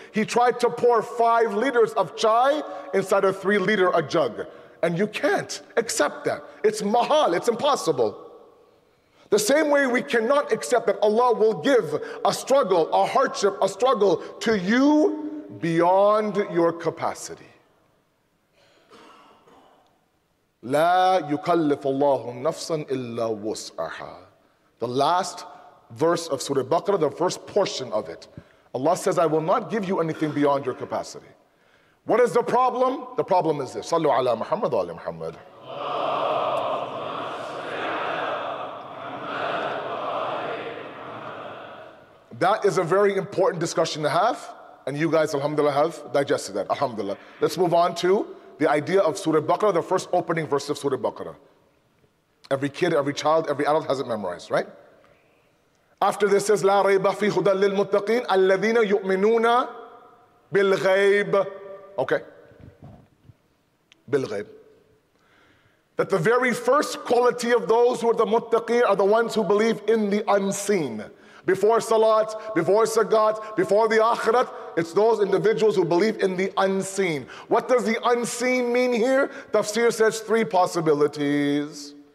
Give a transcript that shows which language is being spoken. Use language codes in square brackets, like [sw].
[en] He tried to pour 5 liters of chai inside a 3-liter jug. And you can't accept that. It's mahal, it's impossible. The same way we cannot accept that Allah will give a struggle, a hardship, a struggle to you beyond your capacity. [ar] لا يكلف الله نفسا إلا وسعها. [en] The last verse of Surah Baqarah, the first portion of it. Allah says, I will not give you anything beyond your capacity. What is the problem? The problem is this. Sallu ala Muhammad wa ala Muhammad. Allah. That is a very important discussion to have, and you guys, alhamdulillah, have digested that, alhamdulillah. Let's move on to the idea of Surah Baqarah, the first opening verse of Surah Baqarah. Every kid, every child, every adult has it memorized, right? After this says, [ar] لَا رَيْبَ فِي هُدَى لِلْمُتَّقِينَ الَّذِينَ يُؤْمِنُونَ بِالْغَيْبِ. [en] Okay. [ar] بالغيب. [en] That the very first quality of those who are the muttaqeen are the ones who believe in the unseen. Before Salat, before Sagat, before the Akhirat, it's those individuals who believe in the unseen. What does the unseen mean here? Tafsir says three possibilities.